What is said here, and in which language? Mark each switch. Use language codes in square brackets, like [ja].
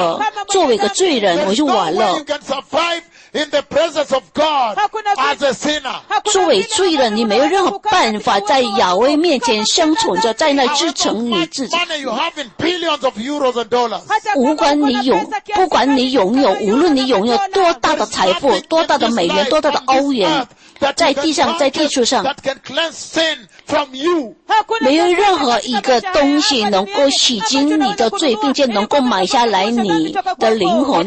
[zh] 能够洗净你的罪。我们看过了以赛亚在那喊叫，以赛亚第六章的第五节说：“我是死了的人了，我是死了，我是灭亡了，我完了，我已经完了，我是死了的肉块，我是完了，结束了。我就今天进到了仰畏那至圣所里了，作为一个罪人，我就完了。” [en] In the presence of God as a sinner. [zh] 作为罪人，你没有任何办法在亚威面前生存着，在那支撑你自己。 [en] Money you have in billions of euros and dollars. [zh] 无论你拥有多大的财富，多大的美元，多大的欧元。在地上，在地处上， [en] that can cleanse sin from you. [zh] 没有任何一个东西能够洗净你的罪， 并且能够买下来你的灵魂。